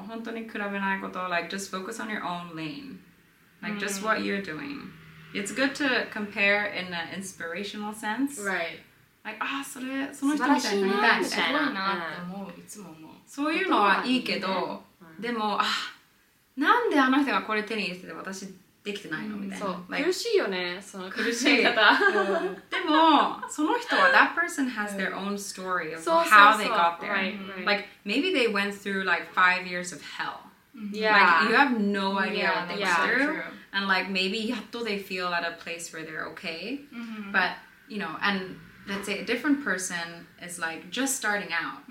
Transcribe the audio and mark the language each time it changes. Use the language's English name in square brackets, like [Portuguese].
[Japanese] だけど、まず、本当に比べないこと [English] ね。そう、本当に比べないこと、like, just focus on your own lane. Like, just what you're doing. It's good to compare in an inspirational sense. Right. [Japanese] Like, ah, それ、その人みたいになりたいみたいな。そういうのはいいけど、でも、なんであの人がこれ手に入れてて私できてないのみたいな。苦しいよね、その苦しい方。でも、その人は、that [English] person has their own story of how they got there. Like, maybe they went through, like, 5 years of hell. Yeah. Like, you have no idea what they went through. And, like, maybe yatto they feel at a place where they're okay. But, you know, and let's say a different person is, like, just starting out.